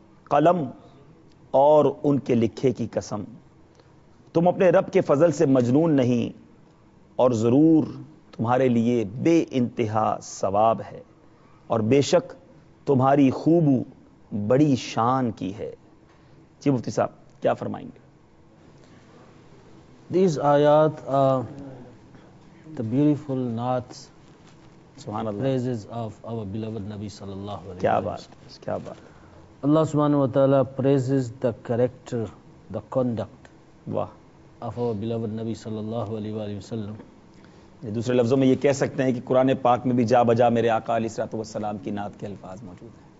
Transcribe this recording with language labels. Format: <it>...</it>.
<ur>قلم اور ان کے لکھے کی قسم, تم اپنے رب کے فضل سے مجنون نہیں اور ضرور تمہارے لیے بے انتہا ثواب ہے اور بے شک تمہاری خوبو بڑی شان کی ہے. جی مفتی صاحب کیا فرمائیں گے؟</ur> <en>these آیات are the beautiful نعت</en> <ur>سبحان اللہ</ur> <en>Praises of our beloved نبی صلی اللہ علیہ وسلم.</en> <ur>کیا بات کیا بات.</ur> <en>اللہ سبحانہ و تعالی praises the character the conduct</en> <ur>واہ</ur> <en>Of our beloved نبی صلی اللہ علیہ وسلم.</en> <ur>دوسرے لفظوں میں یہ کہہ سکتے ہیں کہ قرآن پاک میں بھی جا بجا میرے آقا علیہ الصلوۃ والسلام کی نعت کے الفاظ موجود ہیں.</ur>